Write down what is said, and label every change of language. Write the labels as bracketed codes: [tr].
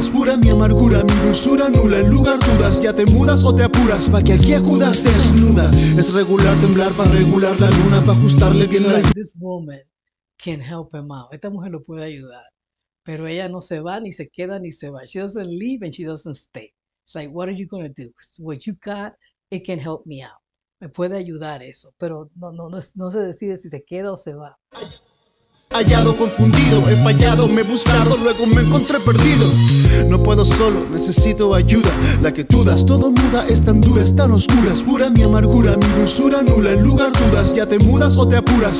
[es] Es pura mi amargura, mi dulzura nula. En lugar dudas, ya te mudas o te apuras. Pa' que aquí acudas desnuda. Es regular temblar, pa' regular la luna, pa' ajustarle bien la... [en] This woman can help him out. [es] Esta mujer lo puede ayudar. Pero ella no se va, ni se queda, ni se va. [en] She doesn't leave and she doesn't stay. It's like, what are you going to do? What you got, it can help me out. [es] Me puede ayudar eso, pero no se decide si se queda o se va. Hallado, confundido, he fallado, me he buscado, luego me encontré perdido. No puedo solo, necesito ayuda. La que tú das, todo muda, es tan dura, es tan oscura. Es pura mi amargura, mi dulzura nula. En lugar dudas, ya te mudas o te apuras.